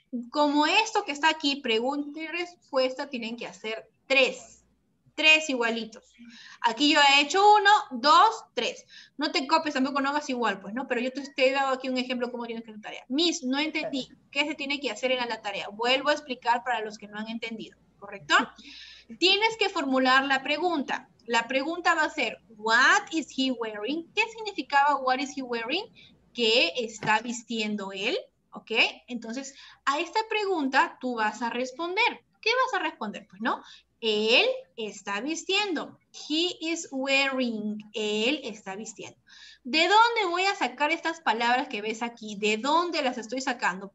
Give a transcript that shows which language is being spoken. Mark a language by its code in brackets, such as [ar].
[es] Como esto que está aquí, pregunta y respuesta, tienen que hacer 3 igualitos. Aquí yo he hecho 1, 2, 3. No te copies, tampoco no hagas igual, pues, ¿no? Pero yo te he dado aquí un ejemplo cómo tienes que hacer la tarea. Miss, no entendí. ¿Qué se tiene que hacer en la tarea? Vuelvo a explicar para los que no han entendido, ¿correcto? Tienes que formular la pregunta. La pregunta va a ser, [en] what is he wearing? [es] ¿Qué significaba [en] what is he wearing? [es] ¿Qué está vistiendo él? ¿Ok? Entonces, a esta pregunta tú vas a responder. ¿Qué vas a responder? Pues, ¿no? Él está vistiendo. [en] He is wearing. [es] Él está vistiendo. ¿De dónde voy a sacar estas palabras que ves aquí? ¿De dónde las estoy sacando?